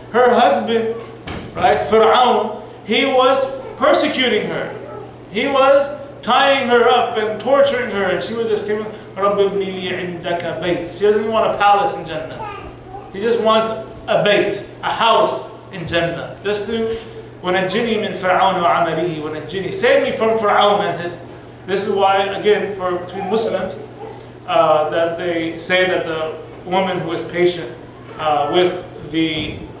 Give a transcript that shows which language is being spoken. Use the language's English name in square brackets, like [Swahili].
[English] Her husband, right, Fir'aun, he was persecuting her. He was tying her up and torturing her, and she was just giving, [Arabic] رَبِّ بْنِي لِي عِنْدَكَ بَيْتِ. [English] She doesn't even want a palace in Jannah. He just wants a bait, a house in Jannah. Just to, [Arabic] وَنَجِّنِي مِنْ فِرْعَوْنَ وَعَمَلِهِ وَنَجِّنِي. [English] Save me from Fir'aun and his. This is why, again, for between Muslims, that they say that the woman who is patient with the